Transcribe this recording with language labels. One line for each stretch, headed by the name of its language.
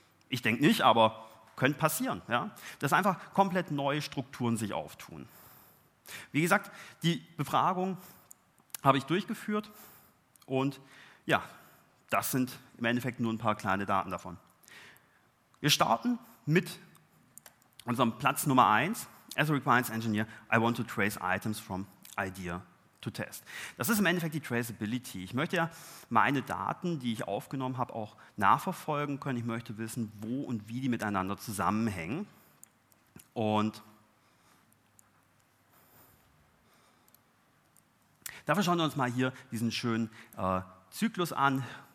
German: Ich denke nicht, aber könnte passieren. Ja? Dass einfach komplett neue Strukturen sich auftun. Wie gesagt, die Befragung habe ich durchgeführt und ja, das sind im Endeffekt nur ein paar kleine Daten davon. Wir starten mit unserem Platz Nummer 1.
English: As a requirements engineer, I want to trace items from idea to test.
German: Das ist im Endeffekt die Traceability. Ich möchte ja meine Daten, die ich aufgenommen habe, auch nachverfolgen können. Ich möchte wissen, wo und wie die miteinander zusammenhängen. Und dafür schauen wir uns mal hier diesen schönen Zyklus an.